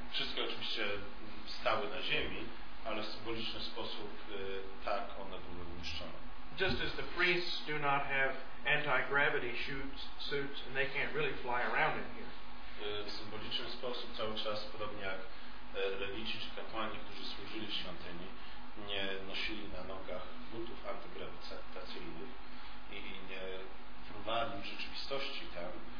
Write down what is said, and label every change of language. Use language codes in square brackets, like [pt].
[pl] Wszystkie oczywiście stały na ziemi, ale w symboliczny sposób tak one były umieszczone. [en] Just as the priests do not have anti-gravity suits and they can't really fly around in here. [pl] W symboliczny sposób cały czas, podobnie jak lewici czy kapłani, którzy służyli w świątyni, nie nosili na nogach butów antygrawitacyjnych i nie fruwali w rzeczywistości tam.